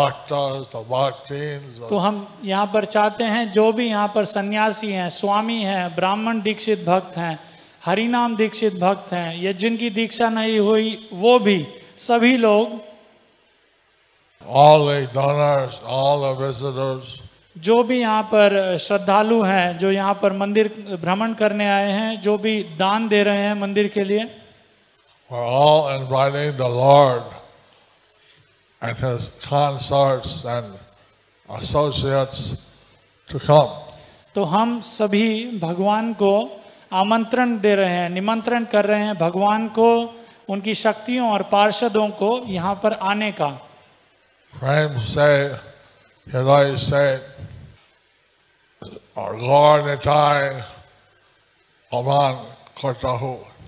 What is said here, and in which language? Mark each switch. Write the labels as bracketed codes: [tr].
[hi] तो हम यहाँ पर चाहते हैं जो भी यहाँ पर सन्यासी हैं स्वामी हैं ब्राह्मण दीक्षित भक्त हैं हरिनाम दीक्षित भक्त हैं या जिनकी दीक्षा नहीं हुई वो भी सभी लोग [en] all the donors, all the visitors, [hi] जो भी यहाँ पर श्रद्धालु हैं जो यहाँ पर मंदिर भ्रमण करने आए हैं जो भी दान दे रहे हैं मंदिर के लिए [en] We're all inviting the Lord and his consorts and associates to come. [hi] तो हम सभी भगवान को आमंत्रण दे रहे हैं निमंत्रण कर रहे हैं भगवान को उनकी शक्तियों और पार्षदों को यहाँ पर आने का Friends say, Hiroi said, Gaur Nitai, Oman Kortahu.